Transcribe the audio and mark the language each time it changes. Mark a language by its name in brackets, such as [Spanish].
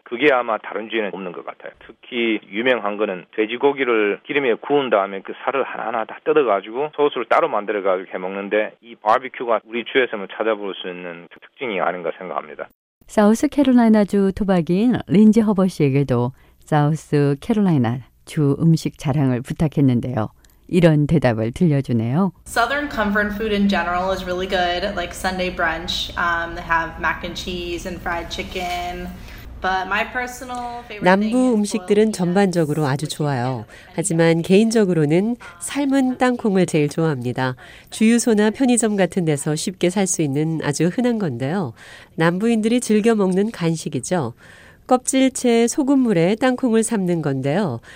[Korean] 그게 아마 다른 주에는 없는 것 같아요. 특히 유명한 거는 돼지고기를 기름에 구운 다음에 그 살을 하나하나 다 뜯어가지고 소스를 따로 만들어가지고 해먹는데 이 바비큐가 우리 주에서만 찾아볼 수 있는 특징이 아닌가 생각합니다. 사우스캐롤라이나주 토박인 린지 허버 씨에게도 사우스캐롤라이나 주 음식 자랑을 부탁했는데요. 이런 대답을 들려주네요. [English] Southern comfort food in general is really good, like Sunday brunch. They have mac and cheese and fried chicken. But my personal favorite [Korean] 남부 음식들은 전반적으로 아주 좋아요. 하지만 개인적으로는 삶은 땅콩을 제일 좋아합니다. 주유소나 편의점 같은 데서 쉽게 살 수 있는 아주 흔한 건데요. 남부인들이 즐겨 먹는 간식이죠. 껍질채 소금물에 땅콩을 삶는 건데요.